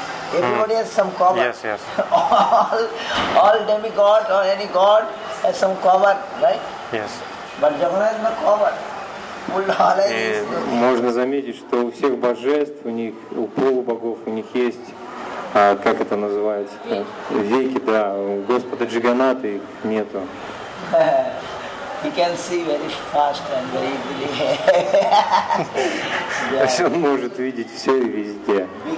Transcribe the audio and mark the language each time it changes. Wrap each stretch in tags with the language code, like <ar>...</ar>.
<en>Everybody has some cover. Yes, yes. all demigod or any god has some cover, right? Yes. But Jagannath no cover. Pullala is.</en> <ru>Можно заметить, что у всех божеств, у них, у полубогов, у них есть, как это называется, веки, да, у Господа Джиганата их нету.</ru> <en>He can see very fast and very easily.</en> <ru>То есть он может видеть все и везде.</ru>